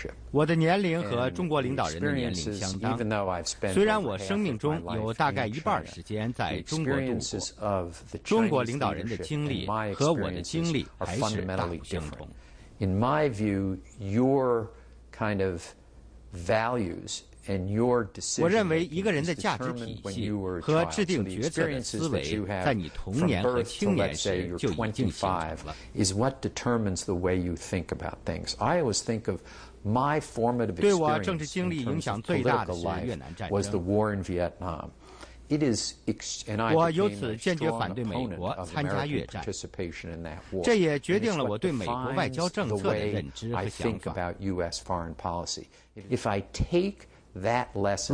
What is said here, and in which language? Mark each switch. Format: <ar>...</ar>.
<zh>我的年龄和中国领导人的年龄相当，虽然我生命中有大概一半时间在中国度过，中国领导人的经历和我的经历还是大不相同。</zh> <en>In my view, your kind of values and your decisions.</en> <zh>我认为一个人的价值体系和制定决策的思维，在你童年和青年时就已经形成了。</zh> <en>Is what determines the way you think about things. I always think of my formative experience.</en> <zh>对我政治经历影响最大的是越南战</zh> <en>争。War in Vietnam. It is, and I</en> <zh>我由此坚决反对美国参加越战。这也决定了我对美国外交政策的认知和想法。</zh> <en>I think about U.S. foreign policy. If I take that lesson,</en>